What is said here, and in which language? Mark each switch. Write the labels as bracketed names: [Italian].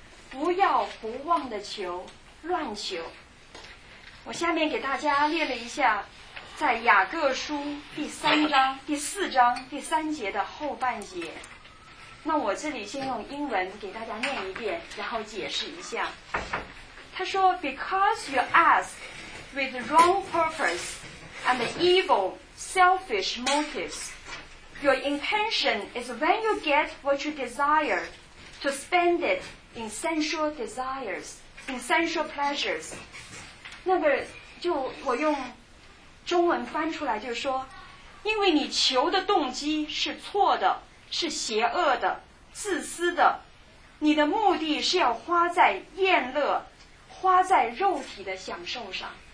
[Chinese] 不要胡妄的求，乱求。我下面给大家列了一下在雅各书第三章第四章第三节的后半节。那我这里先用英文给大家念一遍，然后解释一下。他说 [English] Because you ask with wrong purpose and evil selfish motives, your intention is when you get what you desire to spend it in sensual desires, in sensual pleasures. [Chinese] 那个就我用中文翻出来就是说，因为你求的动机是错的，是邪恶的，自私的，你的目的是要花在宴乐，花在肉体的享受上。